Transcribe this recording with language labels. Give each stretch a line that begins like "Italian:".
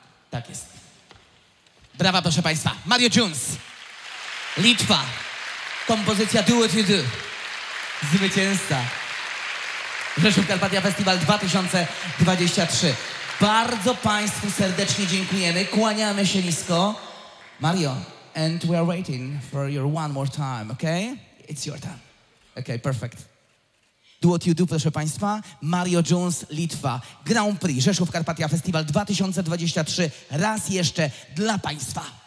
Polish: Tak jest. Brawa, proszę Państwa. Mario Jones. Litwa. Kompozycja Do What You Do. Zwycięzca. Rzeszów Karpatia Festiwal 2023. Bardzo Państwu serdecznie dziękujemy. Kłaniamy się nisko.
English: Mario, and we are waiting for your one more time, okay? It's your time. Okay, perfect.
Polish: Do What You Do, proszę Państwa. Mario Jones, Litwa. Grand Prix Rzeszów Karpatia Festiwal 2023. Raz jeszcze dla Państwa.